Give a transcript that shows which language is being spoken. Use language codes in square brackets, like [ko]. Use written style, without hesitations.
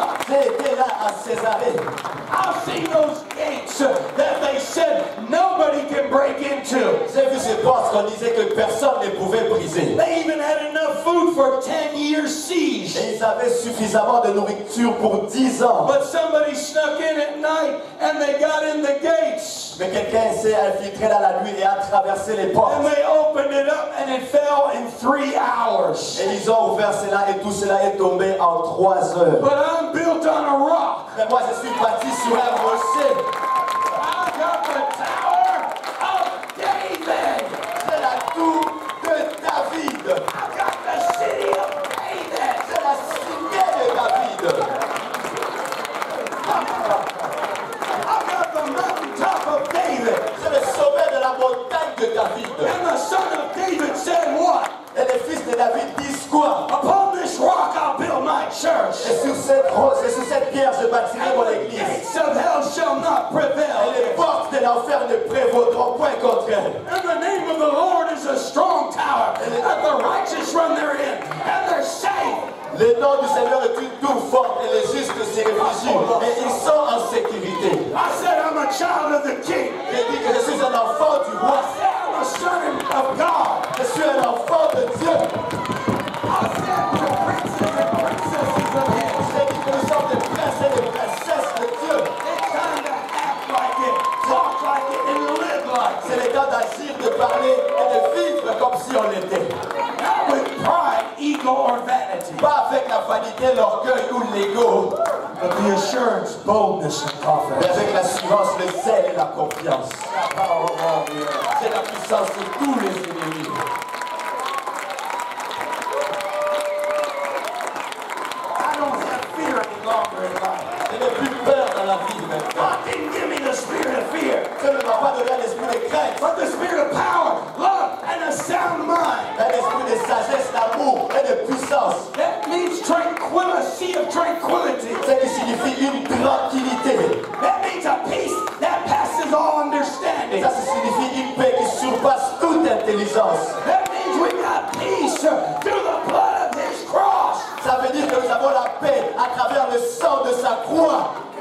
[en] I've seen those gates that they said nobody can break into. [fr] J'ai vu ces portes qu'on disait que personne ne pouvait briser. [en] They even had enough food for 10 years siege. [fr] Et ils avaient suffisamment de nourriture pour 10 ans. [en] But somebody snuck in at night and they got in the gates. [fr] Mais quelqu'un s'est infiltré dans la nuit et a traversé les portes. [en] And they opened it up and it fell in 3 hours. [fr] Et ils ont ouvert cela et tout cela est tombé en 3 heures. [en] But I'm built on a rock. [fr] Mais moi, je suis bâti sur un rocher. [en] I've got the tower of David. [fr] C'est la tour de David. [en] I've got the city of David. [fr] C'est la cité de David. [en] I've got the mountaintop of David. [fr] C'est le sommet de la montagne de David. [en] And the son of David said what? [fr] Et les fils de David disent quoi? [en] Upon this rock I'll build my church. [fr] Et sur cette rose, et sur cette pierre, je bâtirai mon église. [en] The gates of hell shall not prevail. [fr] Et les portes de l'enfer ne prévaudront point contre elle. [en] And the name of the Lord is a strong tower. And the righteous run therein. And they're safe. [fr] Le nom du Seigneur est une tour forte et les justes s'y réfugient et ils sont en sécurité. [en] I said I'm a child of the king. [fr] J'ai dit que je suis un enfant du roi. [en] I said I'm a son of God. [fr] Je suis un enfant de Dieu. [en] I said the princes and princesses of heaven. [fr] J'ai dit que nous sommes des princes et des princesses de Dieu. [en] It's time to act like it, talk like it, and live like it. [fr] C'est le temps d'agir, de parler et de vivre comme si on était. [en] Ego or vanity. [fr] Pas avec la vanité, l'orgueil ou l'ego. [en] But the assurance, boldness, and confidence. [fr] Mais avec l'assurance, le zèle et la confiance. [en] Oh, oh, yeah. [fr] C'est la puissance de tous les ennemis. [en] I don't have fear any longer in life. [fr] Je n'ai plus peur dans la vie maintenant. [en] God didn't give me the spirit of fear. [fr] Je ne m'a pas donné l'esprit de crainte. [en] But the spirit of power, love, and a sound mind. [fr] Un esprit de sagesse, d'amour. [en] That means tranquility, a sea of tranquility. [fr] Ce qui signifie une tranquillité. [en] That means a peace that passes all understanding. [fr] Ça signifie une paix qui surpasse toute intelligence. [en] That means we got peace through the blood of his cross. [fr] Ça veut dire que nous avons la paix à travers le sang de sa croix.